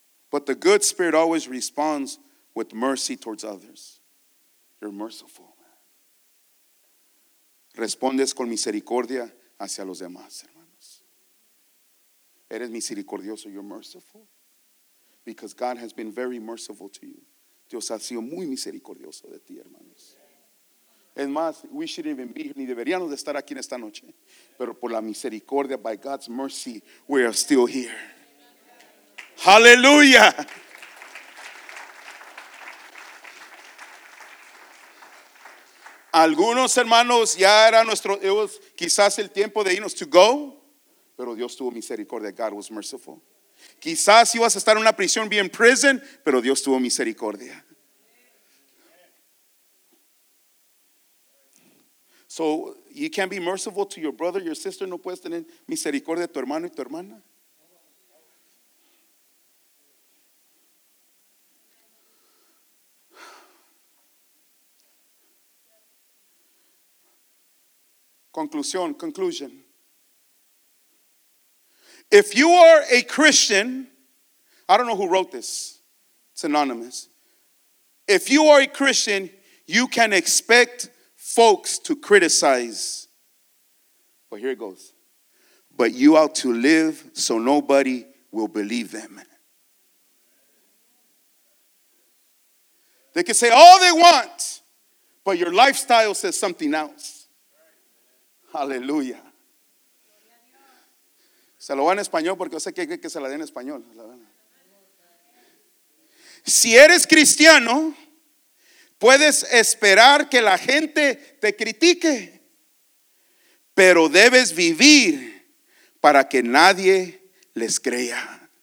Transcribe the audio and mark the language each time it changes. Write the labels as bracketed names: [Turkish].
[English] But the good spirit always responds with mercy towards others. You're merciful. [Spanish] Respondes con misericordia hacia los demás, hermanos. Eres misericordioso. [English] You're merciful. Because God has been very merciful to you. [Spanish] Dios ha sido muy misericordioso de ti, hermanos. Es más, [English] we shouldn't even be here. [Spanish] Ni deberíamos de estar aquí en esta noche. Pero por la misericordia, [English] by God's mercy, we are still here. Hallelujah. [Spanish] Algunos hermanos ya era nuestro, [English] it was [Spanish] quizás el tiempo de irnos [English] to go, [Spanish] pero Dios tuvo misericordia. [English] God was merciful. [Spanish] Quizás ibas a estar en una prisión, [English] be in prison, [Spanish] pero Dios tuvo misericordia. [English] So you can't be merciful to your brother, your sister. [Spanish] No puedes tener misericordia a tu hermano y tu hermana. [English] Conclusion. If you are a Christian, I don't know who wrote this. It's anonymous. If you are a Christian, you can expect folks to criticize. But here it goes. But you ought to live so nobody will believe them. They can say all they want, but your lifestyle says something else. Aleluya. [Spanish] Se lo va en español porque yo sé que se la dé en español. Si eres cristiano, puedes esperar que la gente te critique, pero debes vivir para que nadie les crea.